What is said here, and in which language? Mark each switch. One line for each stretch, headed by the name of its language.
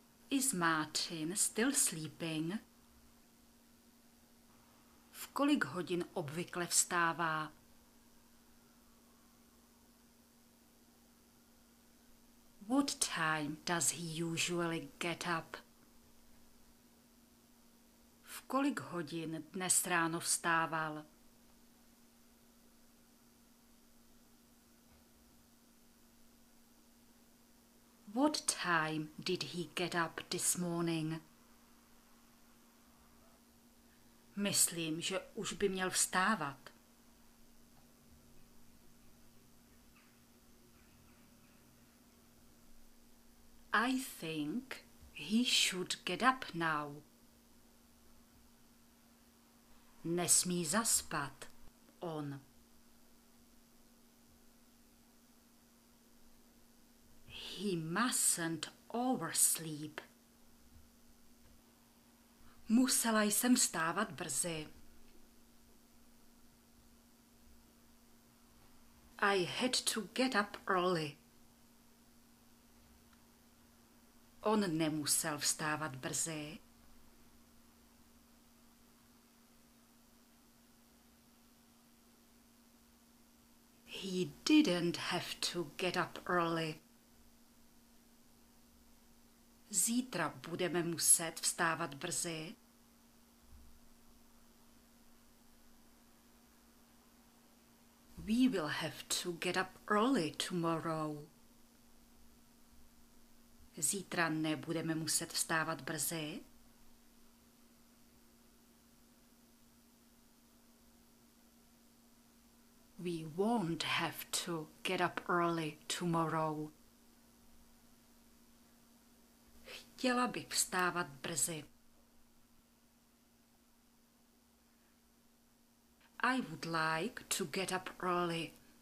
English: Is Martin still sleeping?
Czech: V kolik hodin obvykle vstává?
English: What time does he usually get up?
Czech: V kolik hodin dnes ráno vstával?
English: What time did he get up this morning?
Czech: Myslím, že už by měl vstávat.
English: I think he should get up now.
Czech: Nesmí zaspat, on.
English: He mustn't oversleep.
Czech: Musela jsem vstávat brzy.
English: I had to get up early.
Czech: On nemusel vstávat brzy.
English: He didn't have to get up early.
Czech: Zítra budeme muset vstávat brzy.
English: We will have to get up early tomorrow.
Czech: Zítra nebudeme muset vstávat brzy.
English: We won't have to get up early tomorrow.
Czech: Chtěla bych vstávat brzy.
English: I would like to get up early.